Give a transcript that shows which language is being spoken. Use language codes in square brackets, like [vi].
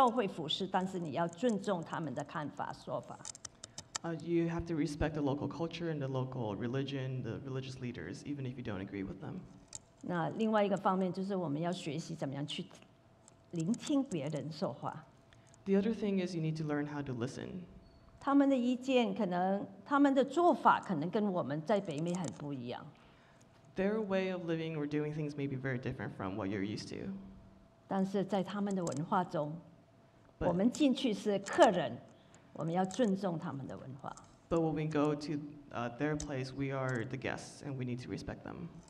[zh] 当地的文化跟教会的领袖，可能你不是进去一个教会服事，但是你要尊重他们的看法说法。 [en] You have to respect the local culture and the local religion, the religious leaders, even if you don't agree with them. [zh] 那另外一个方面就是我们要学习怎么样去聆听别人说话。 [en] The other thing is you need to learn how to listen. [zh] 他们的意见可能，他们的做法可能跟我们在北美很不一样。 [en] Their way of living or doing things may be very different from what you're used to. [zh] 但是在他们的文化中，我们进去是客人，我们要尊重他们的文化。 [en] But when we go to their place, we are the guests, and we need to respect them.